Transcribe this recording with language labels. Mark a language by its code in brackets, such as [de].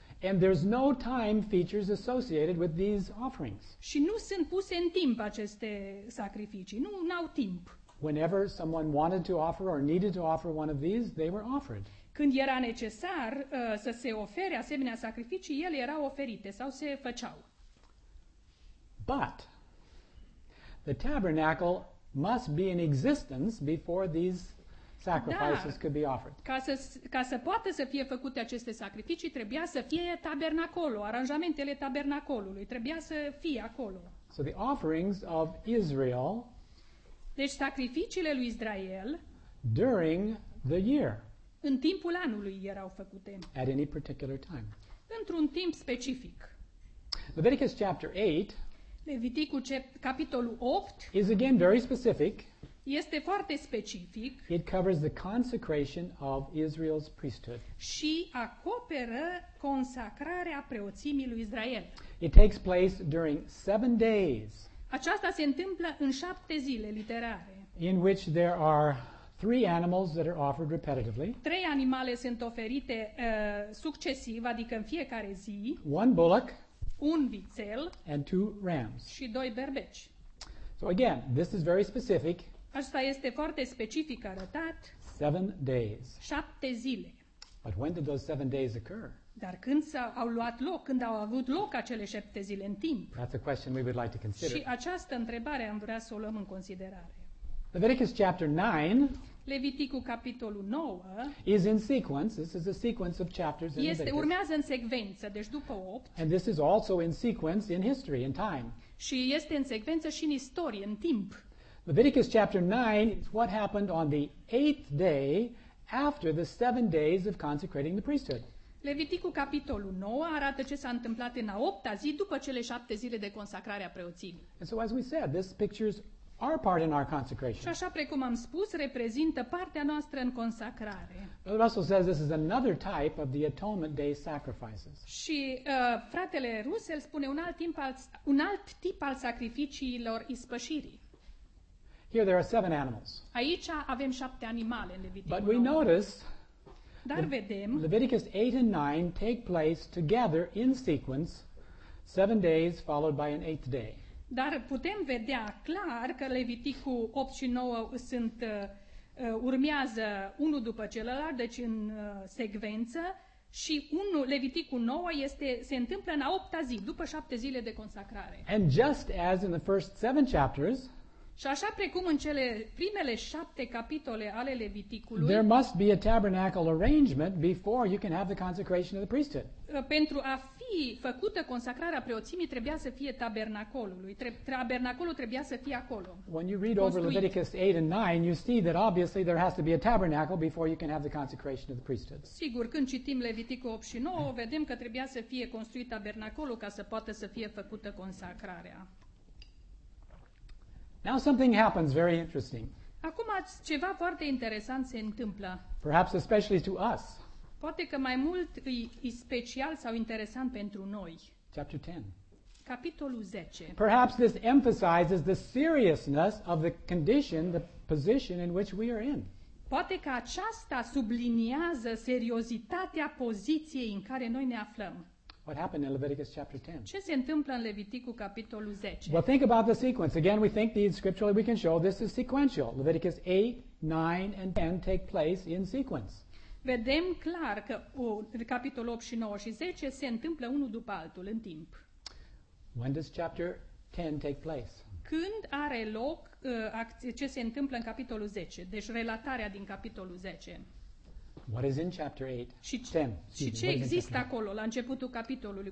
[en] And there's no time features associated with these offerings. [ro] Și nu sunt puse în timp aceste sacrificii. Nu au timp. [en] Whenever someone wanted to offer or needed to offer one of these, they were offered. [ro] Când era necesar să se ofere asemenea sacrificii, ele erau oferite sau se făceau. [en] But the tabernacle must be in existence before these sacrifices [ro] da, [en] could be offered. [ro] Ca să poată să fie făcute aceste sacrificii, trebuia să fie tabernacolul, aranjamentele tabernacolului, trebuia să fie acolo. [en] So the offerings of Israel. [ro] Deci sacrificiile lui Israel [en] during the year. [ro] În timpul anului erau făcute. [en] At any particular time. [ro] Într-un timp specific. [en] Leviticus chapter 8. [ro] Leviticul capitolul 8 [en] is again very specific. [ro] Este foarte specific. [en] It covers the consecration of Israel's priesthood. [ro] Și acoperă consacrarea preoțimii lui Israel. [en] It takes place during 7 days. [ro] Aceasta se întâmplă în 7 zile literare. [en] In which there are Three animals that are offered repetitively. [ro] Trei animale sunt oferite succesiv, adică în fiecare zi. [en] One bullock. [ro] Un vițel. [en] And two rams. [ro] Și doi berbeci. [en] So again, this is very specific. [ro] Asta este foarte specific arătat. [en] 7 days. [ro] 7 zile. [en] But when did those 7 days occur? [ro] Dar când s-au luat loc, când au avut loc acele 7 zile în timp? [en] That's a question we would like to consider. [ro] Și această întrebare am vrea să o luăm în considerare. [en] Leviticus chapter 9. [ro] Leviticul capitolul 9. [en] Is in sequence. This is a sequence of chapters in [ro] Leviticus. Este urmează în secvență, deci după 8. [en] And this is also in sequence in history in time. [ro] Și este în secvență și în istorie, în timp. [en] Leviticus chapter 9 is what happened on the 8th day after the 7 days of consecrating the priesthood. [ro] Leviticul capitolul 9 arată ce s-a întâmplat în a 8-a zi după cele 7 zile de consacrare a preoții. [en] And so as we said, this pictures our part in our consecration. [ro] Și așa precum am spus, reprezintă partea noastră în consacrare. [en] Brother Russell says this is another type of the atonement day sacrifices. [ro] Și fratele Russell spune un alt tip al sacrificiilor ispășirii. [en] Here there are 7 animals. [ro] Aici avem 7 animale în Leviticul. [en] But we notice [ro] dar vedem [en] Leviticus 8 and 9 take place together in sequence, 7 days followed by an 8th day. [ro] Dar putem vedea clar că Leviticul 8 și 9 sunt urmează unul după celălalt, deci în secvență, și Leviticul 9 se întâmplă în a 8-a zi, după 7 zile de consacrare. [en] And just as in the first 7 chapters, [ro] și așa precum în cele primele 7 capitole ale Leviticului, [en] there must be a tabernacle arrangement before you can have the consecration of the priesthood. [ro] Pentru a fi făcută consacrarea preoțimii trebuia să fie tabernacolului. Tabernacolul trebuia să fie acolo. [en] When you read over Leviticus 8 and 9, you see that obviously there has to be a tabernacle before you can have the consecration of the priesthood. [ro] Sigur, când citim Leviticul 8 și 9, vedem că trebuia să fie construit tabernacolul ca să poată să fie făcută consacrarea. [en] Now something happens very interesting. [ro] Acum ceva foarte interesant se întâmplă. [en] Perhaps especially to us. [ro] Poate că mai mult e special sau interesant pentru noi. [en] Chapter 10. [ro] Capitolul 10. [en] Perhaps this emphasizes the seriousness of the condition, the position in which we are in. [ro] Poate că aceasta subliniază seriozitatea poziției în care noi ne aflăm. [en] What happened in Leviticus chapter 10? [ro] Ce se întâmplă în Leviticul capitolul 10? [en] Well, think about the sequence. Again, we think these scripturally we can show this is sequential. Leviticus 8, 9 and 10 take place in sequence. [ro] Vedem clar că capitolul 8 și 9 și 10 se întâmplă unul după altul în timp. [en] When does chapter 10 take place? [ro] Când are loc ce se întâmplă în capitolul 10? Deci relatarea din capitolul 10. [en] What is in chapter 8? [ro] Ce există acolo la începutul capitolului?